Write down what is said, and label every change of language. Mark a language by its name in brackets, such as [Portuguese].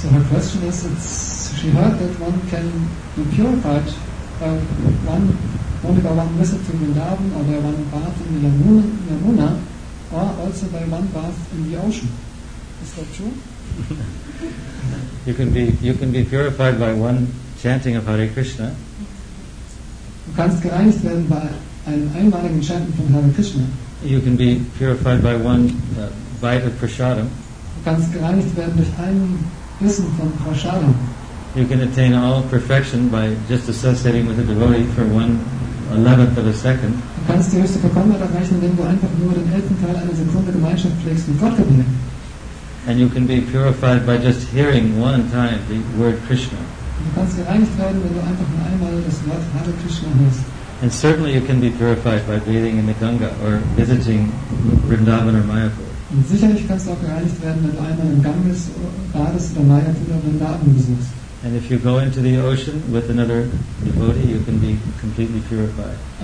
[English] She heard that one can be purified by only by one visit to Vrindavan, or by one bath in the Yamuna, or also by one bath in the ocean. Is that true? You can be purified by one chanting of Hare Krishna. [German] Du kannst gereinigt werden bei einem einmaligen Chanten von Hare Krishna. [English] You can be purified by one bite of prasadam. [German] Du kannst gereinigt werden durch einen Bissen von prasadam. [English] You can attain all perfection by just associating with a devotee for 1/11th of a second. [German] Du kannst die höchste Vollkommenheit erreichen, indem du einfach nur den 11. Teil einer Sekunde Gemeinschaft pflegst mit Gott gebieten. [English] And you can be purified by just hearing one time the word Krishna. [German] Du kannst gereinigt werden, wenn du einfach nur einmal das Wort Hare Krishna hörst. [English] And certainly you can be purified by bathing in the Ganga or visiting Vrindavan or Mayapur. [German] Und sicherlich kannst du auch gereinigt werden, wenn du einmal im Ganges badest oder Mayapur oder Vrindavan besuchst. [English] And if you go into the ocean with another devotee, you can be completely purified.